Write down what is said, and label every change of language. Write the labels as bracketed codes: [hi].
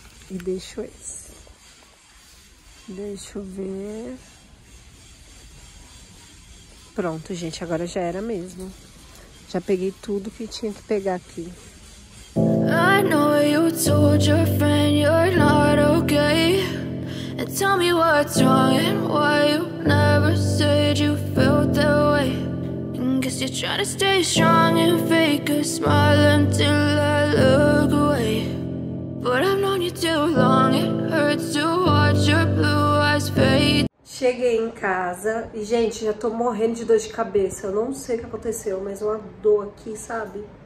[pt] E deixo esse. Deixa eu ver. Pronto, gente. Agora já era mesmo. Já peguei tudo que tinha que pegar aqui. [en] I know you told your friend you're not okay. And tell me what's wrong and why you never said you felt that way. And guess you're trying to stay strong and fake a smile until I look away. But I've known you too long, it hurts to watch your blue eyes fade. [pt] Cheguei em casa e, gente, já tô morrendo de dor de cabeça. Eu não sei o que aconteceu, mas uma dor aqui, sabe?